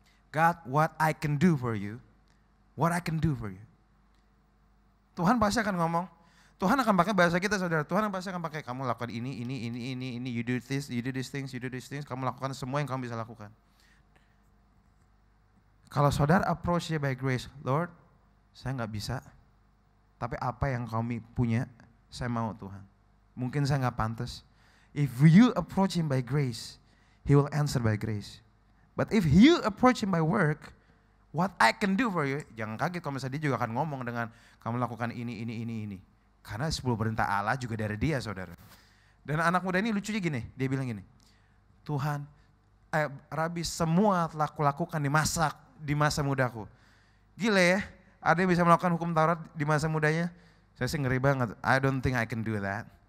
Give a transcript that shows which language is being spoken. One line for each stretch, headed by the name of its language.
English: God, what I can do for you, what I can do for you.
Indonesian: Tuhan pasti akan ngomong, Tuhan akan pakai bahasa kita saudara, Tuhan pasti akan pakai, kamu lakukan ini,
English: you do these things,
Indonesian: kamu lakukan semua yang kamu bisa lakukan. Kalau saudara approach dia
English: by grace, Lord,
Indonesian: saya gak bisa, tapi apa yang kami punya, saya mau Tuhan. Mungkin saya gak pantas.
English: If you approach him by grace, he will answer by grace. But if you approach him by work, what I can do for you,
Indonesian: jangan kaget kalau misalnya dia juga akan ngomong dengan, kamu lakukan ini. Karena 10 perintah Allah juga dari dia, saudara. Dan anak muda ini lucunya gini, dia bilang gini, Tuhan, Rabi, semua telah kulakukan di masa mudaku. Gile ya, ada yang bisa melakukan hukum Taurat di masa mudanya? Saya sih ngeri banget,
English: I don't think I can do that.